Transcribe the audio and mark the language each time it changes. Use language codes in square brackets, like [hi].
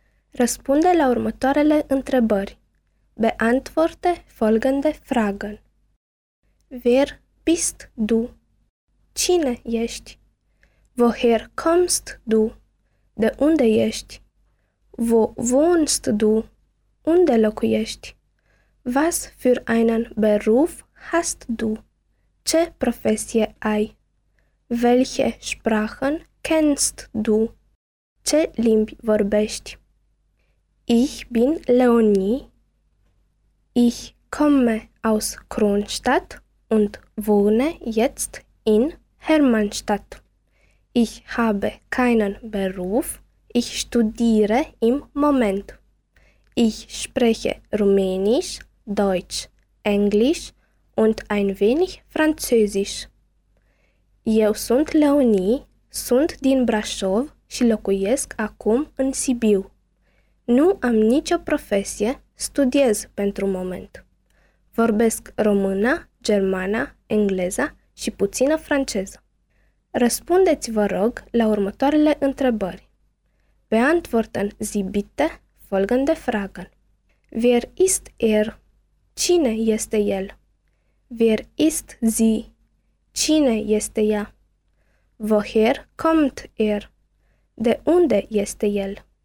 [ro] Răspunde la următoarele întrebări. [de] Beantworte folgende Fragen. Wer bist du? [ro] Cine ești? [de] Woher kommst du? [ro] De unde ești? [de] Wo wohnst du? [ro] Unde locuiești? [de] Was für einen Beruf hast du? [ro] Ce profesie ai? [de] Welche Sprachen kennst du? [ro] Ce limbi vorbești? [de] Ich bin Leonie. Ich komme aus Kronstadt und wohne jetzt in Hermannstadt. Ich habe keinen Beruf. Ich studiere im Moment. Ich spreche Rumänisch, Deutsch, Englisch und ein wenig Französisch. [ro] Eu sunt Leonie, sunt din Brașov și locuiesc acum în Sibiu. Nu am nicio profesie, studiez pentru moment. Vorbesc română, germană, engleză și puțină franceză. Răspundeți, vă rog, la următoarele întrebări. [de] Beantworten Sie bitte folgende Fragen. Wer ist er? [ro] Cine este el? [de] Wer ist sie? [ro] Cine este ea? [de] Woher kommt er? [ro] De unde este el?